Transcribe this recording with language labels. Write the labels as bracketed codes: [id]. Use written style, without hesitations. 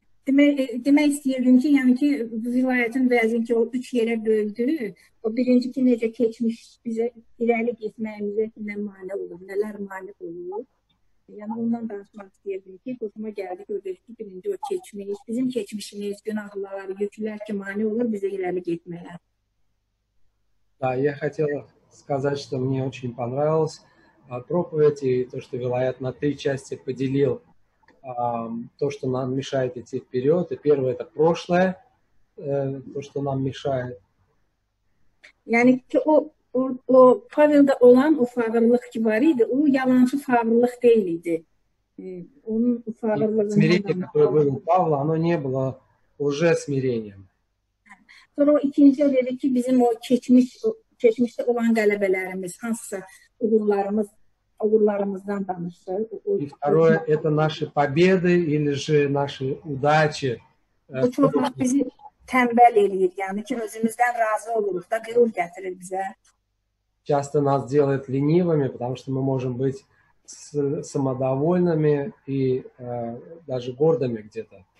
[az] Demək istəyirdim ki, yəni ki vilayətin vəziyyəti ki o üç yerə böldü. O birinci ki necə keçmiş bizə irəli getməyimizə nə mani olur, nələr mani olur. Yəni ondan danışmaq istəyirdim ki, qoşuma gəldi gördük ki birinci o keçmiş, bizim keçmişimiz, günahlar, yüklər ki mani olur bizə irəli getməyə. [ru] Да, я хотел сказать, что мне очень понравилась проповедь и то, что Вилаят на три части поделил то, что нам мешает идти вперед. И первое – это прошлое, то, что нам мешает. [az] Yani ki o Pavel'de olan o fağırlık ki var idi, o yalancı fağırlık değil idi. Onun fağırlığından... [ru] Смирение, которое было у Павла, оно не было уже смирением. [az] Sonra o ikinci dedi ki bizim o keçmişdə olan qələbələrimiz, hansısa uğurlarımızdan danışdı. [ru] И второе это наши победы или же наши удачи. [az] Bu çox bizi tənbəl eləyir, yəni ki özümüzdən razı oluruq da qürur gətirir bizə. [ru] Часто нас делает ленивыми, потому что мы можем быть самодовольными и даже гордыми где-то.